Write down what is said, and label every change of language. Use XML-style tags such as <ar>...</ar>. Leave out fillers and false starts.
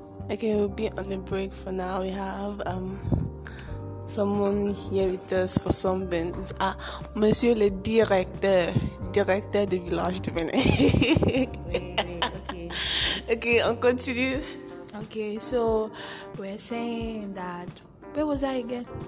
<en>Okay, we'll be on the break for now. We have someone here with us for some bins.</en> <fr>Ah, monsieur le directeur, directeur du village de Benin.</fr> <en>Okay,</en> <fr>on continue.</fr> <en>Okay, so we're saying that, where was I again?</en>